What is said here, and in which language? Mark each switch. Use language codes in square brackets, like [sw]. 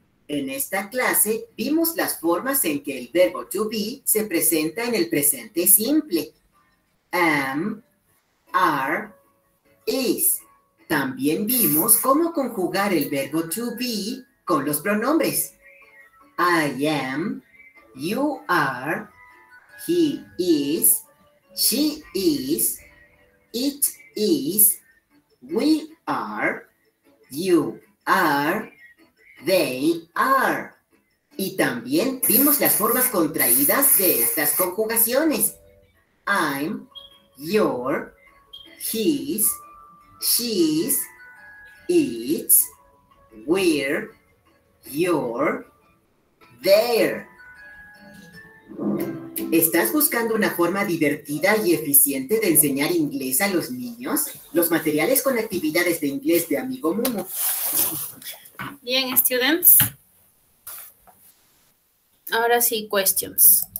[es] En esta clase vimos las formas en que el verbo to be se presenta en el presente simple. [en] Am, are, is. [es] También vimos cómo conjugar el verbo to be con los pronombres. [en] I am, you are, he is, she is, it is, we are, you are, they are. [es] Y también vimos las formas contraídas de estas conjugaciones. [en] I'm, you're, he's, she's, it's, we're, you're, there. [es] ¿Estás buscando una forma divertida y eficiente de enseñar inglés a los niños? Los materiales con actividades de inglés de Amigo Mumu. Bien, [en] students. [es] Ahora sí, [en] questions.